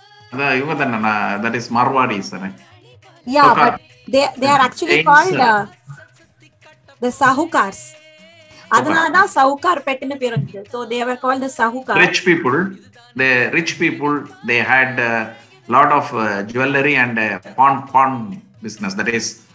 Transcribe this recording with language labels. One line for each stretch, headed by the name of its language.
Tamil: அது இவங்க தான,
English: that is Marwadi sir. Yeah, but they are actually called the Sahukars.
Tamil: அதனால தான் சவுகார்பேட்னு பேர் வந்துச்சு.
English: So they were called the Sahukars. The rich people, they had a lot of jewelry and pawn business, that is